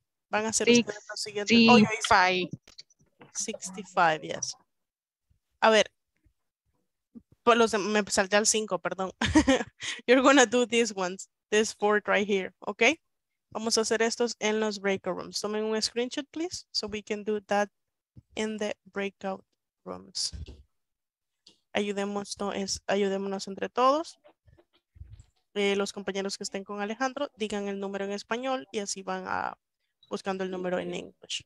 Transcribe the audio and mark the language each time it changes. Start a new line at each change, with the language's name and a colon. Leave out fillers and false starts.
Spanish: Van a ser los siguientes. 65, yes. A ver. Me salté al 5, perdón.
English: You're gonna do these ones. This four right here, okay?
Spanish: Vamos a hacer estos en los breakout rooms. Tomen un screenshot,
English: please, so we can do that in the breakout rooms.
Spanish: Ayudémonos entre todos. Los compañeros que estén con Alejandro, digan el número en español y así van a buscando el número en English.